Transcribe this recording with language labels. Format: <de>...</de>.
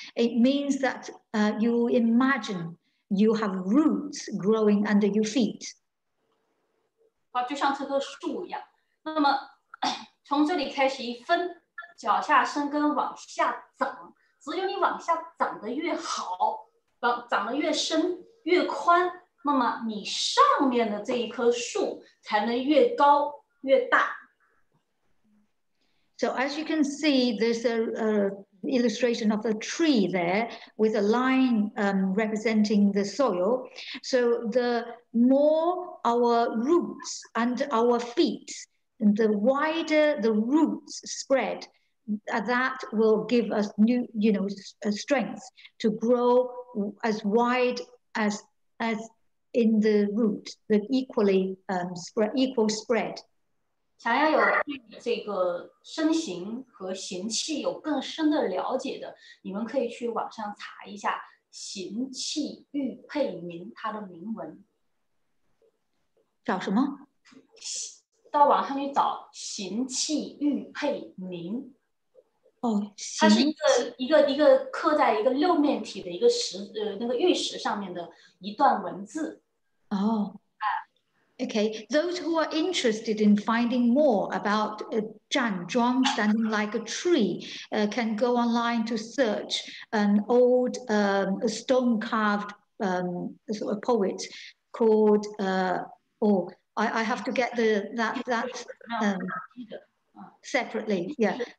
<en>It means that you imagine you have roots growing under your feet.</en> <zh>啊，就像这棵树一样。那么从这里开始一分，脚下生根往下长，只有你往下长得越好，长得越深越宽，那么你上面的这一棵树才能越高越大。</zh> <en>So as you can see, there's a illustration of a tree there with a line representing the soil. So the more our roots and our feet, and the wider the roots spread, that will give us new, you know, strength to grow as wide as in the root, the equally spread.</en> <zh>想要有对这个身形和形气有更深的了解的，你们可以去网上查一下《形气玉佩铭》它的铭文。找什么？到网上去找《形气玉佩铭》。哦，它是一个刻在一个六面体的一个石那个玉石上面的一段文字。哦。</zh> <en>Okay, those who are interested in finding more about Zhan Zhuang, standing like a tree, can go online to search an old stone-carved sort of poet called, I have to get that separately, yeah.</en>